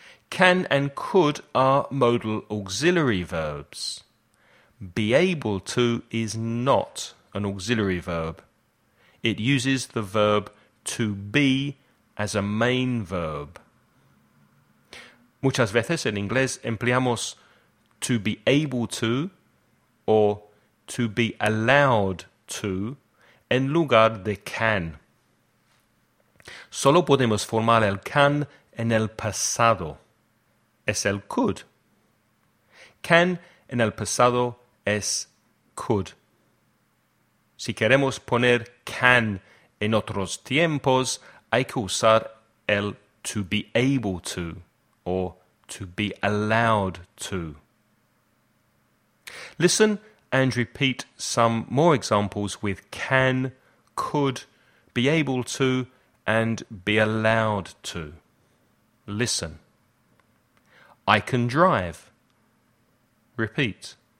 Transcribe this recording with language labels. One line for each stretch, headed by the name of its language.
English: Can and could are modal auxiliary verbs. Be able to is not an auxiliary verb. It uses the verb to be as a main verb.
Spanish: Muchas veces en inglés empleamos to be able to or to be allowed to en lugar de can. Solo podemos formar el can en el pasado. Es el could. Can en el pasado es could. Si queremos poner can en otros tiempos, hay que usar el to be able to or to be allowed to.
English: Listen and repeat some more examples with can, could, be able to, and be allowed to. Listen. I can drive. Repeat.